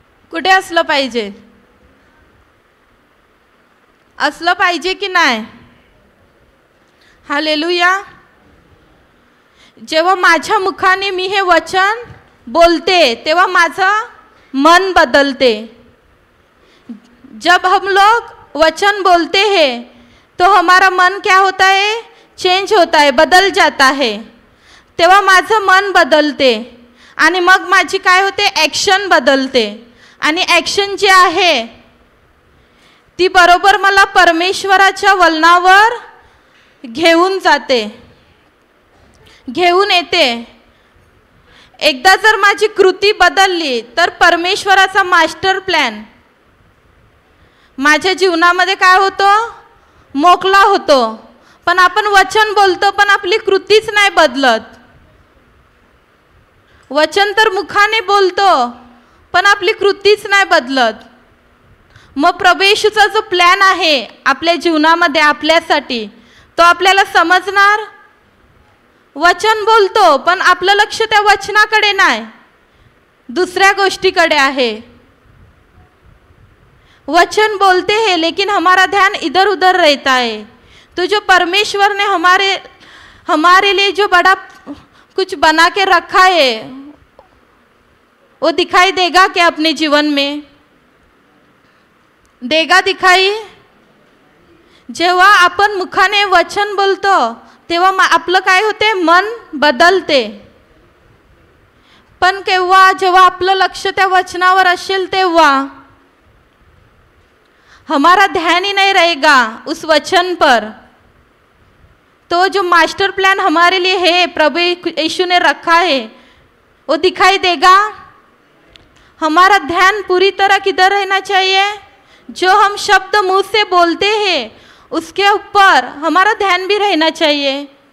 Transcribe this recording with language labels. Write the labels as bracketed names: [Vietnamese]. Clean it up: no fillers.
[Marathi] कुठे असलं पाहिजे? असलं पाहिजे की नाही? हालेलुया। जेव्हा माझ्या मुखाने मी हे वचन बोलते तेव्हा माझं मन बदलते। [Hindi] जब हम लोग वचन बोलते है तो हमारा मन क्या होता है? चेंज होता है, बदल जाता है। [Marathi] तेव्हा माझं मन बदलते आणि मग माझी काय होते? ॲक्शन बदलते। आणि ॲक्शन जी आहे ती बरोबर मला परमेश्वराच्या वलनावर घेऊन जाते, घेऊन येते। एकदा जर माझी कृती बदलली तर परमेश्वराचा मास्टर प्लॅन माझ्या जीवनामध्ये काय होतो, मोकळा होतो, पण आपण वचन बोलतो पण आपली कृतीच नाही बदलत। वचन तर मुखाने बोलतो पण आपली कृतीच नाही बदलत। मग प्रभेशूचा जो प्लॅन आहे आपल्या जीवनामध्ये आपल्यासाठी तो आपल्याला समजणार? वचन बोलतो पण आपलं लक्ष त्या वचनाकडे नाही, दुसऱ्या गोष्टीकडे आहे। [Hindi] वचन बोलते है लेकिन हमारा ध्यान इधर उधर रहता है। तो जो परमेश्वर ने हमारे लिए जो बड़ा कुछ बना के रखा है वो दिखाई देगा क्या अपने जीवन में? देगा दिखाई? [Marathi] जेव्हा आपण मुखाने वचन बोलतो तेव्हा आपलं काय होते, मन बदलते। पण केव्हा? जेव्हा आपलं लक्ष त्या वचनावर असेल तेव्हा [Hindi] हमारा ध्यान ही नहीं रहेगा उस वचन पर। तो जो मास्टर प्लान हमारे लिए है प्रभु यीशु ने रखा है वो दिखाई देगा? हमारा ध्यान पूरी तरह किधर रहना चाहिए? जो हम शब्द मुँह से बोलते हैं उसके ऊपर हमारा ध्यान भी रहना चाहिए।